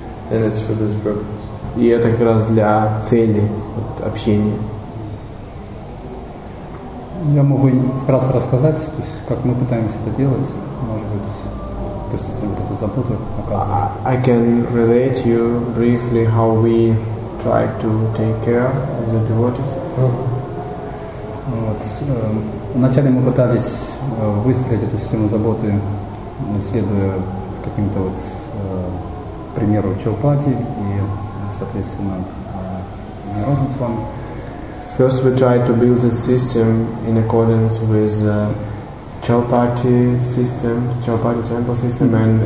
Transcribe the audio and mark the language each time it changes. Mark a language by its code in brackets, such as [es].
[en] And it's for this purpose. [ru] И это как раз для цели вот, общения. Я могу вкратце рассказать, то есть, как мы пытаемся это делать, может быть, то есть, кто-то запутает, оказывается. [en] I can relate you briefly how we try to take care of the devotees. Uh-huh. Вот. [ru] Вначале мы пытались выстроить эту систему заботы, следуя каким-то вот примеру Чхаупати и, соответственно, Нирандан с вами. [en] First, we tried to build a system in accordance with Chaupati system, Chaupati temple system, mm-hmm.